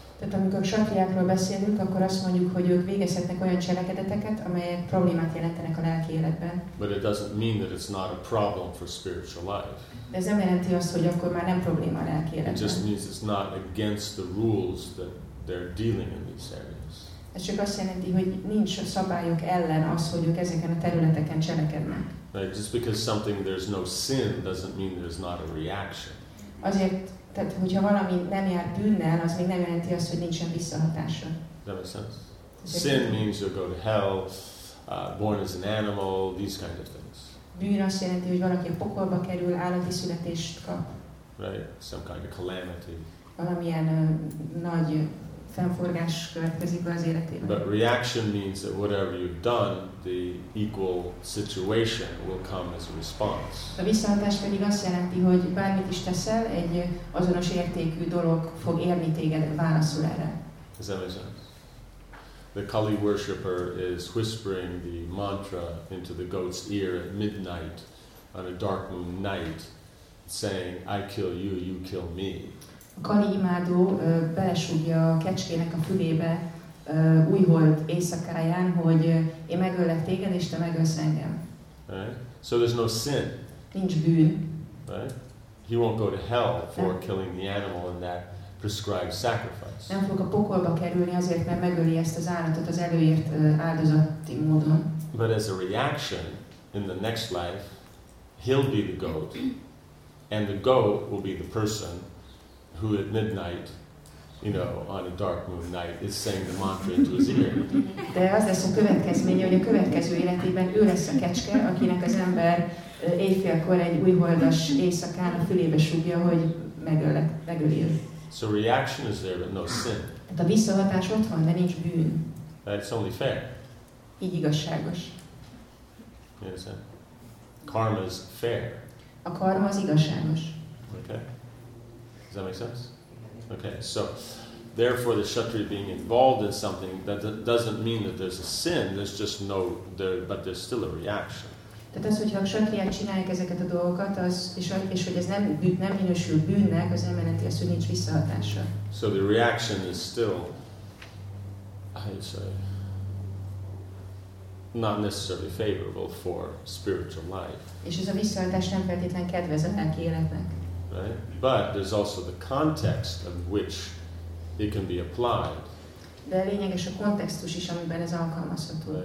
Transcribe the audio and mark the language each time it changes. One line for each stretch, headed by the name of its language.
Hungarian: Tehát amikor kshatriyákról beszélünk, akkor azt mondjuk, hogy ők végezhetnek olyan cselekedeteket, amelyek problémát jelentenek a lelki életben.
English: But it doesn't mean that it's not a problem for spiritual life.
Hungarian: De ez nem jelenti azt, hogy akkor már nem probléma a lelki életben.
English: It just means it's not against the rules that they're dealing in these areas.
Hungarian: Ez csak azt jelenti, hogy nincs szabályok ellen az, hogy ők ezeken a területeken cselekednek.
English: Right, just because something there's no sin doesn't mean there's not a reaction.
Hungarian: Azért. Tehát, hogyha valami nem jár bűnnel, az még nem jelenti azt, hogy nincsen visszahatása.
English: That makes sense. Sin means you'll go to hell, born as an animal, these kind of things.
Hungarian: Bűn azt jelenti, hogy valaki a pokolba kerül, állati születést kap.
English: Right, some kind of calamity.
Hungarian: Valamilyen nagy fennforgás következik az életében.
English: But reaction means that whatever you've done, the equal situation will come as a response.
Hungarian: A visszahatás pedig azt jelenti, hogy bármit is teszel, egy azonos értékű dolog fog érni téged, válaszul erre.
English: Is that makes sense? The Kali worshipper is whispering the mantra into the goat's ear at midnight on a dark moon night, saying, I kill you, you kill me.
Hungarian: A Kali imádó belesúgja a kecskének a fülébe újhold éjszakáján, hogy én megöllek téged, és te megölsz engem.
English: Right? So there's no sin.
Hungarian: Nincs bűn.
English: Right? He won't go to hell for killing the animal in that prescribed sacrifice.
Hungarian: Nem fog a pokolba kerülni azért, mert megöli ezt az állatot az előírt áldozati módon.
English: But as a reaction, in the next life, he'll be the goat, and the goat will be the person who at midnight, you know, on a dark moon night, is saying the mantra into his ear.
Hungarian: De az lesz a következménye, hogy a következő életében ő lesz a kecske, akinek az ember éjfélkor egy újholdas éjszakán a fülébe súgja, hogy megöljön.
English: So reaction is there, but no sin.
Hungarian: Hát a visszahatás ott van, de nincs bűn.
English: But it's only fair.
Hungarian: Így igazságos.
English: Yes, sir. Karma is fair.
Hungarian: A karma az igazságos.
English: Okay. Does that make sense? Okay, so therefore the kshatriya being involved in something, that doesn't mean that there's a sin, there's just no, there, but there's still a reaction.
Hungarian: Tehát az, hogyha a kshatriyák csinálják ezeket a dolgokat, az, és hogy ez nem minősül bűnnek, az nem jelenti azt, hogy nincs visszahatása.
English: So the reaction is still, I'd say, not necessarily favorable for spiritual life.
Hungarian: És ez a visszahatás nem feltétlen kedvez a lelki életnek.
English: Right? But there's also the context of which it can be applied.
Hungarian: De lényeges a kontextus is, amiben ez alkalmazható.